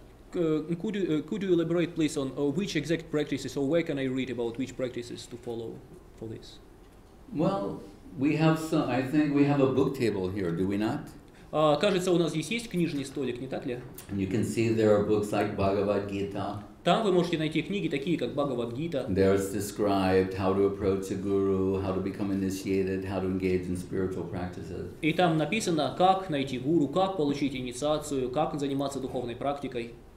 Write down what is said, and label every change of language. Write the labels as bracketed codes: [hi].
[en] Could you elaborate, please, on which exact practices, or where can I read about which practices to follow for this? Well, we have some. I think we have a book table here, do we not? [ru] Кажется, у нас здесь есть книжный столик, не так ли? [en] And you can see there are books like Bhagavad Gita. [ru] Там вы можете найти книги такие, как Bhagavad Gita. [en] There is described how to approach a guru, how to become initiated, how to engage in spiritual practices. [ru] И там написано, как найти гуру, как получить инициацию, как заниматься духовной практикой.